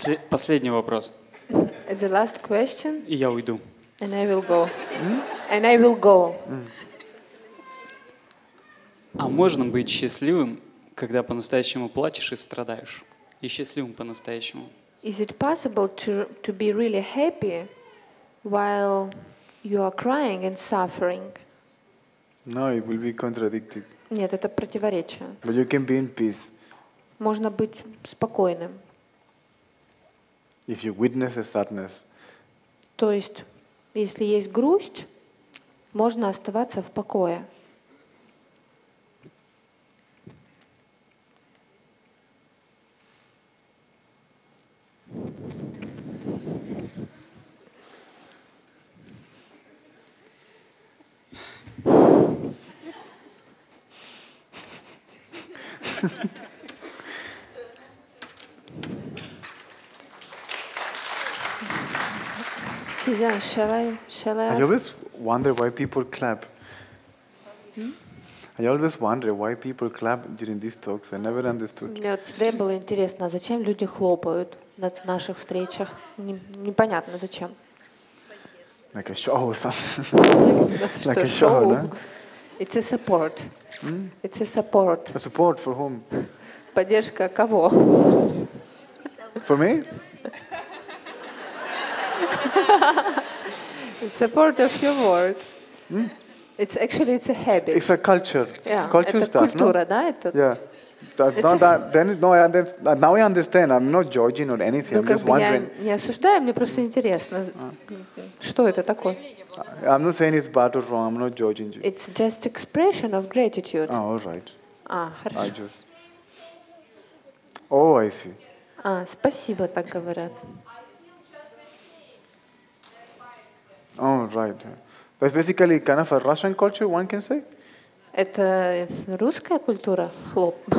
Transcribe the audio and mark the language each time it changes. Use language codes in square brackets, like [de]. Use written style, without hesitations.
[ru] Последний вопрос. [en] It's the last question. [ru] И я уйду. [en] And I will go. And I will go. [ru] А можно быть счастливым, когда по-настоящему плачешь и страдаешь? И счастливым по-настоящему? [en] Is it possible to be really happy while you are crying and suffering? No, it will be contradicted. [ru] Нет, это противоречие. [en] But you can be in peace. [ru] Можно быть спокойным. [en] If you witness a sadness. [ru] То есть, если есть грусть, можно оставаться в покое. [en] Сезан, shall I ask? I always wonder why people clap. I always wonder why people clap during these talks. I never understood. [ru] Мне всегда было интересно, зачем люди хлопают на наших встречах. Непонятно, зачем. [en] Like a show or something. Like a show, да? It's a support. It's a support. A support for whom? [ru] Поддержка кого? [en] For me? Support of your words. It's actually it's a habit. It's a culture. Yeah. Culture [ru] это stuff, культура, no? Да? Это... [en] Yeah. Now I understand. I'm not judging or anything. I'm just wondering. [ru] Я не осуждаю, мне просто интересно, что это такое. [en] I'm not saying it's bad or wrong. I'm not judging you. It's just expression of gratitude. Oh, all right. [ru] Хорошо. [en] I just. Oh, I see. [ru] Спасибо, так говорят. [en] Oh, right. That's basically kind of a Russian culture, one can say. [ru] Это русская культура, хлоп.